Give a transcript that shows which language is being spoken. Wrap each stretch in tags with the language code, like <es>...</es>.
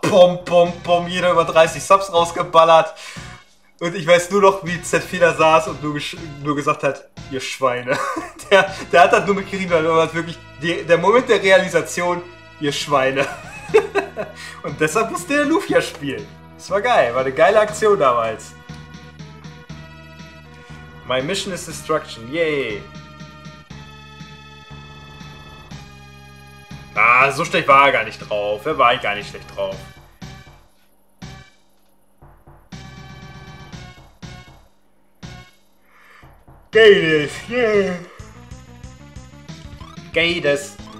<de>Pom, pom, pom, jeder über 30 Subs rausgeballert. Und ich weiß nur noch, wie Z4 da saß und nur gesagt hat, ihr Schweine. Der hat das nur mitgerieben, weil das wirklich der Moment der Realisation, ihr Schweine. Und deshalb musste der Lufia spielen. Das war geil, war eine geile Aktion damals.</de> <en>My mission is destruction, yay!</en> <de>Ah, so schlecht war er gar nicht drauf. Er war gar nicht schlecht drauf. Gades, yay! Gades!</de>